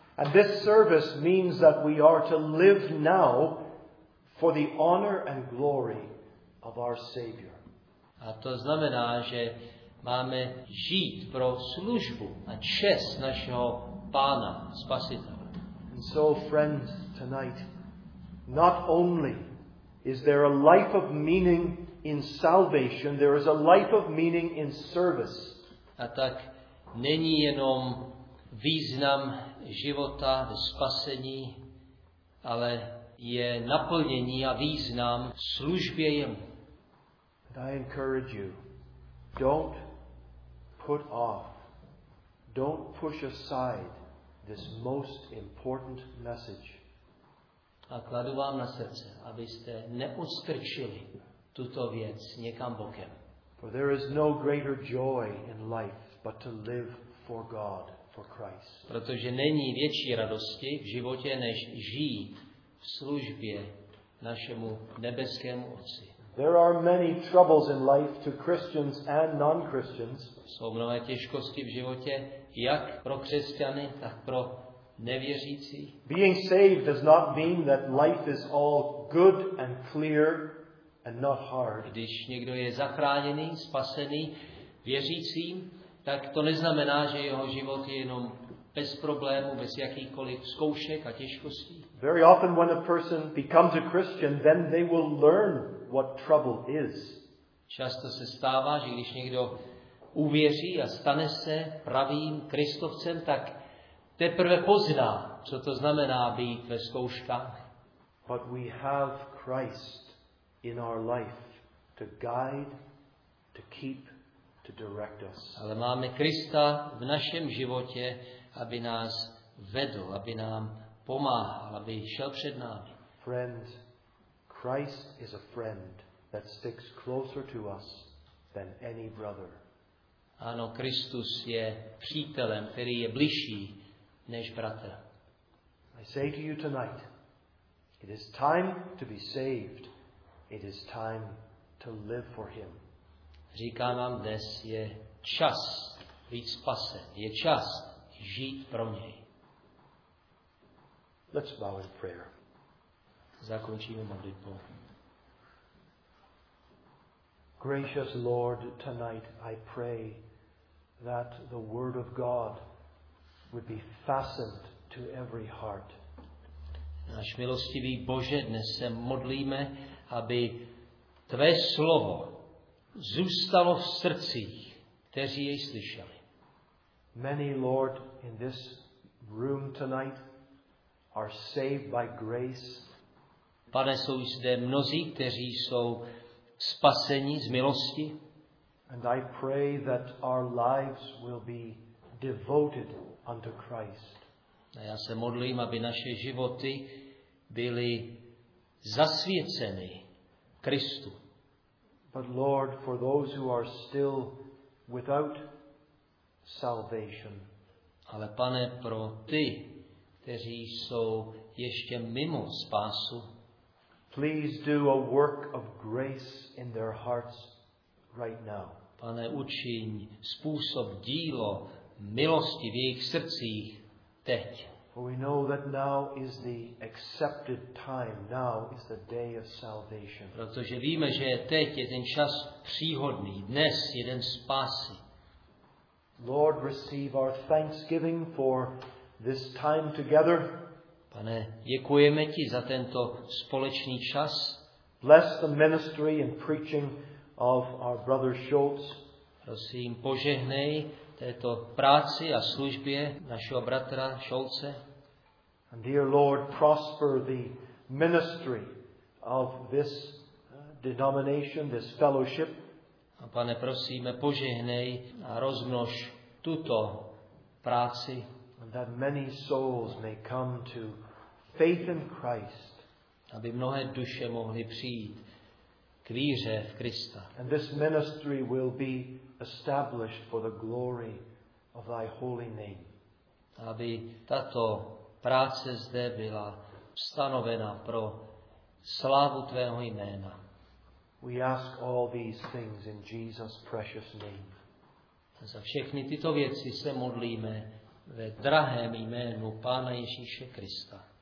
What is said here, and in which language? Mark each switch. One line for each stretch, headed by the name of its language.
English: And this service means that we are to live now for the honor and glory of our Savior.
Czech: A to znamená, že máme žít pro službu a čest našeho Pána, Spasitele.
English: And so, friends, tonight, not only is there a life of meaning in salvation, there is a life of meaning in service.
Czech: A tak není jenom význam života, spasení, ale je naplnění a význam službě jemu.
English: And I encourage you, don't put off, don't push aside this most important message.
Czech: A kladu vám na srdce, abyste neustrčili tuto věc někam bokem.
English: For there is no greater joy in life but to live for God, for Christ.
Czech: Protože není větší radosti v životě než žít v službě našemu nebeskému Otci.
English: There are many troubles in life to Christians and non-Christians.
Czech: Jsou mnohé těžkosti v životě jak pro křesťany, tak pro nevěřící.
English: Being saved does not mean that life is all good and clear and not hard.
Czech: Když někdo je zachráněný, spasený, věřícím, tak to neznamená, že jeho život je jenom bez problémů, bez jakýchkoliv zkoušek a těžkostí.
English: Very often when a person becomes a Christian, then they will learn what trouble is.
Czech: Často se stává, že když někdo uvěří a stane se pravým Kristovcem, tak teprve pozná, co to znamená být ve zkouškách.
English: But we have Christ in our life to guide, to keep, to direct us.
Czech: Ale máme Krista v našem životě, aby nás vedl, aby nám pomáhal, aby šel před námi.
English: Friend, Christ is a friend that sticks closer to us than any brother.
Czech: Ano, Kristus je přítelem, který je bližší než bratr.
English: I say to you tonight, it is time to be saved. It is time to live for him.
Czech: Říkám vám dnes, je čas být spasen. Je čas žít pro něj.
English: Let's bow in prayer.
Czech: Zakončíme modlitbu.
English: Gracious Lord, tonight I pray that the word of God would be fastened to every heart.
Czech: Náš milostivý Bože, dnes se modlíme, aby tvé slovo zůstalo v srdcích, kteří jej slyšeli.
English: Many, Lord, in this room tonight are saved by grace.
Czech: Pane, jsou zde mnozí, kteří jsou spaseni z milosti.
English: And I pray that our lives will be devoted unto Christ.
Czech: A já se modlím, aby naše životy byly zasvěceny Kristu.
English: But Lord, for those who are still without salvation.
Czech: Ale Pane, pro ty, kteří jsou ještě mimo spásu.
English: Please do a work of grace in their hearts right now.
Czech: Pane, učiň způsob dílo milosti v jejich srdcích teď.
English: For we know that now is the accepted time. Now is the day of salvation.
Czech: Protože víme, že teď je ten čas příhodný. Dnes je den spásy.
English: Lord, receive our thanksgiving for this time together.
Czech: Pane, děkujeme ti za tento společný čas.
English: Bless the ministry and preaching of our brother Schultz.
Czech: Prosím, požehnej této práci a službě našeho bratra Schultze.
English: And dear Lord, prosper the ministry of this denomination, this fellowship.
Czech: A Pane, prosíme, požehnej a rozmnož tuto práci.
English: And that many souls may come to faith in Christ.
Czech: Aby mnohé duše mohly přijít k víře v Krista.
English: And this ministry will be established for the glory of thy holy name.
Czech: Aby tato práce zde byla stanovena pro slávu tvého jména.
English: We ask all these things in Jesus' precious name.
Czech: Za všechny tyto věci se modlíme ve drahém jménu Pána Ježíše Krista.